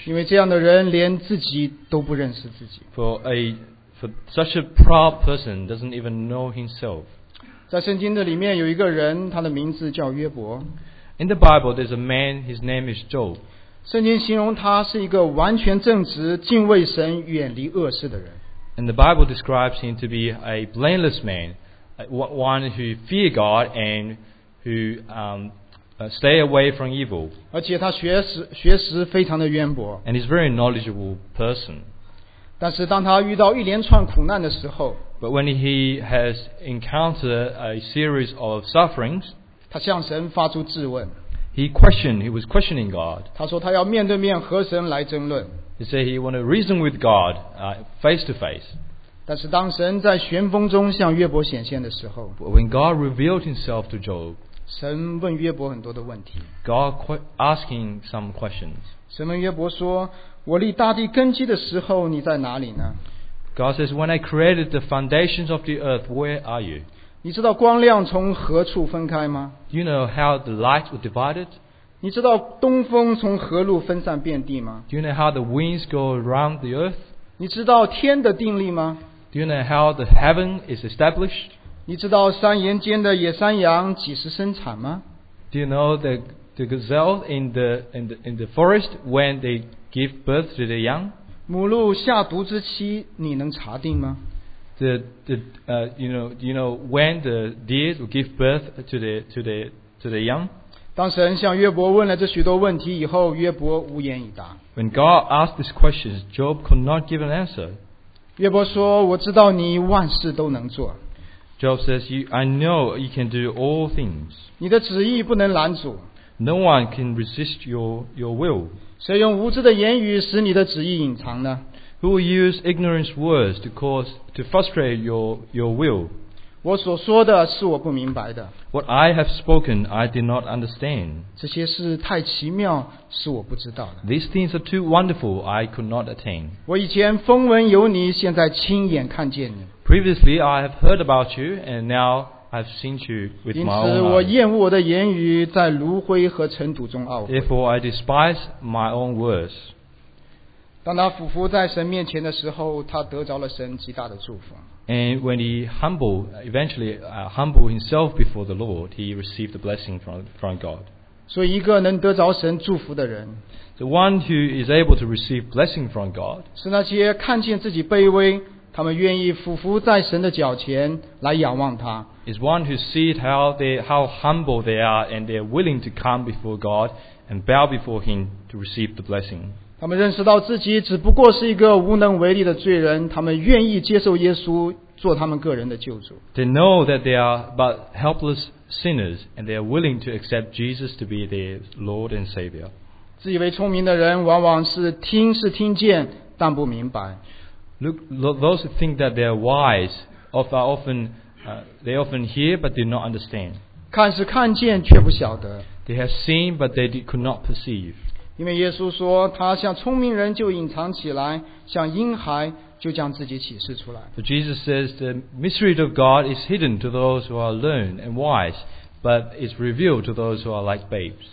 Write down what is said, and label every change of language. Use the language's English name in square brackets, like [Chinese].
[Chinese] 因为这样的人连自己都不认识自己。 [English] For such a proud person doesn't even know himself. [Chinese] 在圣经的里面有一个人，他的名字叫约伯。 [English] In the Bible, there's a man, his name is Job. [Chinese] 圣经形容他是一个完全正直、敬畏神、远离恶事的人。 [English] And the Bible describes him to be a blameless man, one who fears God and who stay away from evil. [Chinese] 而且他学识非常的渊博。 [English] And he's a very knowledgeable person. [Chinese] 但是当他遇到一连串苦难的时候， [English] But when he has encountered a series of sufferings, [Chinese] 他向神发出质问。 [English] He was questioning God. [Chinese] 他说他要面对面和神来争论。 [English] He said he wanted to reason with God, face to face. [Chinese] 但是当神在旋风中向约伯显现的时候， [English] When God revealed himself to Job, [Chinese] 神问约伯很多的问题。 [English] God asking some questions. [Chinese] 神问约伯说，我立大地根基的时候，你在哪里呢？ [English] God says, when I created the foundations of the earth, where are you? [Chinese] 你知道光亮从何处分开吗？ [English] Do you know how the light was divided? [Chinese] 你知道东风从何路分散遍地吗？ [English] Do you know how the winds go around the earth? [Chinese] 你知道天的定力吗？ [English] Do you know how the heaven is established? [Chinese] 你知道山岩间的野山羊几时生产吗？ [English] Do you know the gazelle in the forest when they give birth to the young? [Chinese] 母鹿下犊之期你能查定吗？ [English] You know when the deer will give birth to the young? [Chinese] 当神向约伯问了这许多问题以后，约伯无言以答。 [English] When God asked these questions, Job could not give an answer. [Chinese] 约伯说，我知道你万事都能做。 [English] Job says, I know you can do all things. [Chinese] 你的旨意不能拦阻。 [English] No one can resist your will. [Chinese] 谁用无知的言语使你的旨意隐藏呢？ [English] Who will use ignorant words to frustrate your will? [Chinese] 我所说的是我不明白的。 [English] What I have spoken, I did not understand. [Chinese] 这些事太奇妙，是我不知道的。 [English] These things are too wonderful, I could not attain. [Chinese] 我以前风闻有你，现在亲眼看见你。 [English] Previously, I have heard about you, and now I've seen you with my own eyes. [Chinese] 因此，我厌恶我的言语，在炉灰和尘土中懊悔。 [English] Therefore, I despise my own words. [Chinese] 当他俯伏在神面前的时候，他得着了神极大的祝福。 [English] And when he humbled himself before the Lord, he received a blessing from God. [Chinese] 所以，一个能得着神祝福的人。 [English] The one who is able to receive blessing from God. [Chinese] 是那些看见自己卑微。他们愿意俯伏在神的脚前来仰望他。 [English] Is one who sees how humble they are and they're willing to come before God and bow before Him to receive the blessing. [Chinese] 他们认识到自己只不过是一个无能为力的罪人，他们愿意接受耶稣做他们个人的救主。 [English] They know that they are but helpless sinners and they're willing to accept Jesus to be their Lord and Savior. [Chinese] 自以为聪明的人往往是听见，但不明白。 [English] Look, those who think that they are wise often hear but do not understand. [Chinese] 看是看见却不晓得。 [English] They have seen but they could not perceive. [Chinese] 因为耶稣说，他像聪明人就隐藏起来，像婴孩就将自己启示出来。 [English] For Jesus says the mystery of God is hidden to those who are learned and wise, but is revealed to those who are like babes.